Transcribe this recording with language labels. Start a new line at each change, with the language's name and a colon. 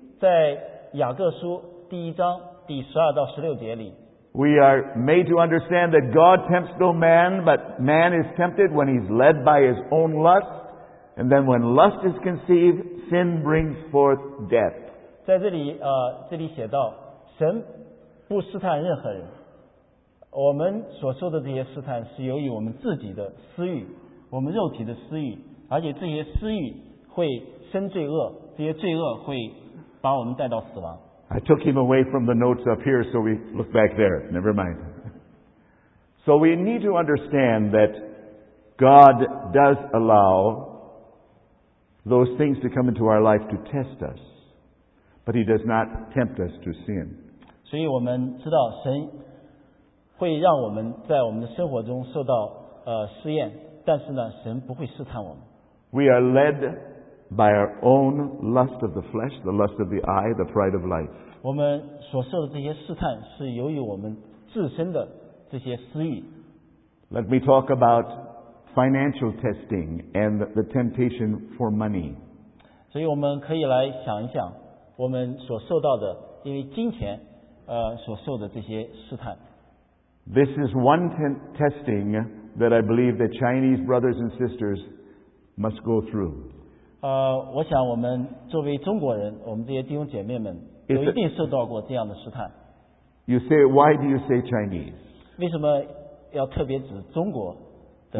Chinese: 在雅各书第一章第十二到十六节里，
English: We are made to understand that God tempts no man, but man is tempted when he's led by his own lust, and then when lust is conceived, sin brings forth death.
Chinese: 在这里写到，神不试探任何人。我们所受的这些试探是由于我们自己的私欲，我们肉体的私欲，而且这些私欲会生罪恶，这些罪恶会把我们带到死亡。
English: I took him away from the notes up here, so we look back there. Never mind. So we need to understand that God does allow those things to come into our life to test us, but he does not tempt us to sin.
Chinese: 所以我们知道神会让我们在我们的生活中受到试验，但是呢，神不会试探我们。
English: We are led by our own lust of the flesh, the lust of the eye, the pride of life.
Chinese: 我们所受的这些试探是由于我们自身的这些私欲。
English: Let me talk about financial testing and the temptation for money.
Chinese: 所以我们可以来想一想，我们所受到的因为金钱所受的这些试探。
English: This is one testing that I believe that Chinese brothers and sisters must go through.
Chinese: 我想我们作为中国人，我们这些弟兄姐妹们都一定受到过这样的试探。
English: You say, why do you say Chinese?
Chinese: 为什么要特别指中国的